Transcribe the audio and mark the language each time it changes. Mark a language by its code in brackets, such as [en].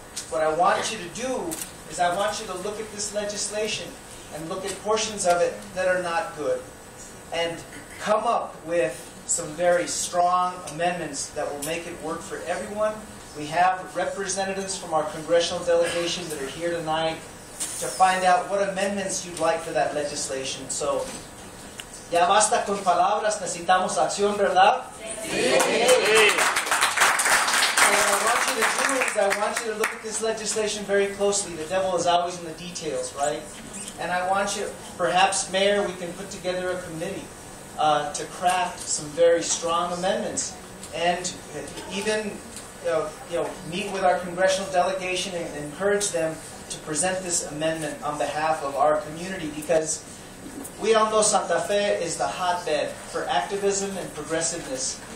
[en] What I want you to do is I want you to look at this legislation and look at portions of it that are not good and come up with some very strong amendments that will make it work for everyone. We have representatives from our congressional delegation that are here tonight to find out what amendments you'd like for that legislation. [es] So, ya basta con palabras, necesitamos acción, ¿verdad? [en] I want you to look at this legislation very closely. The devil is always in the details, right? And I want you, perhaps, Mayor, we can put together a committee to craft some very strong amendments and even meet with our congressional delegation and encourage them to present this amendment on behalf of our community, because we all know Santa Fe is the hotbed for activism and progressiveness.